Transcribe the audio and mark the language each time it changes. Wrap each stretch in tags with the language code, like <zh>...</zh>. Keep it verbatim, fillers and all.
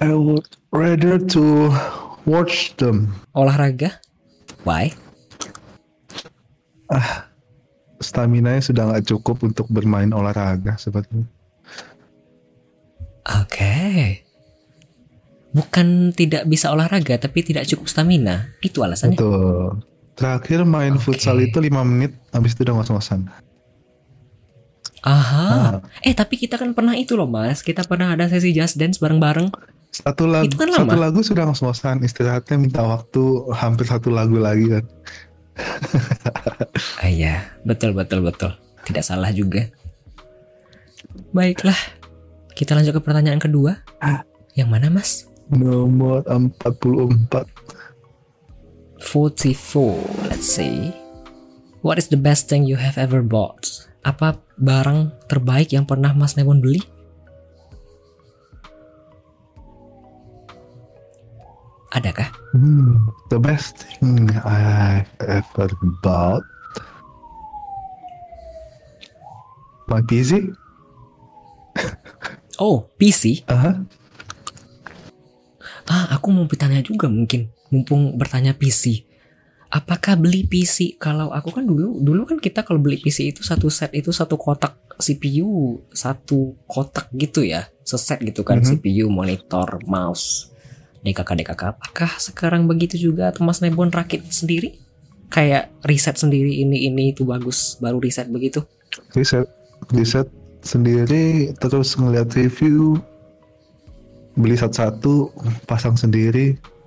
<en>I would rather to watch them.</en> <id>Olahraga? Why? Ah, stamina-nya sudah nggak cukup untuk bermain olahraga sebetulnya. Oke, okay. Bukan tidak bisa olahraga, tapi tidak cukup stamina. Itu alasannya. Betul. Terakhir main okay. futsal itu lima menit, habis itu udah ngos-ngosan. Aha. Nah. Eh, tapi kita kan pernah itu loh Mas. Kita pernah ada sesi Just Dance bareng-bareng. Satu lagu, kan satu lagu sudah ngos-ngosan, istirahatnya minta waktu hampir satu lagu lagi kan. Ah iya, betul betul betul. Tidak salah juga. Baiklah, kita lanjut ke pertanyaan kedua. Ah. Yang mana Mas? Nomor empat puluh empat. empat puluh empat,</id> <en>let's see. What is the best thing you have ever bought?</en> <id>Apa barang terbaik yang pernah Mas Mebon beli? Adakah?</id> <en>Hmm, the best thing I've ever bought my P C. Oh, P C? Uh-huh.</en> <id>Ah, aku mau bertanya juga mungkin. Mumpung bertanya P C. Apakah beli P C? Kalau aku kan dulu, dulu kan kita kalau beli P C itu satu set itu satu kotak C P U, satu kotak gitu ya. Seset gitu kan, Mhm. C P U, monitor, mouse, D K K D K K. Apakah sekarang begitu juga atau Mas Nebon rakit sendiri? Kayak riset sendiri ini ini itu bagus, baru riset begitu. Riset, riset sendiri, terus ngeliat review, beli satu-satu, pasang sendiri.</id>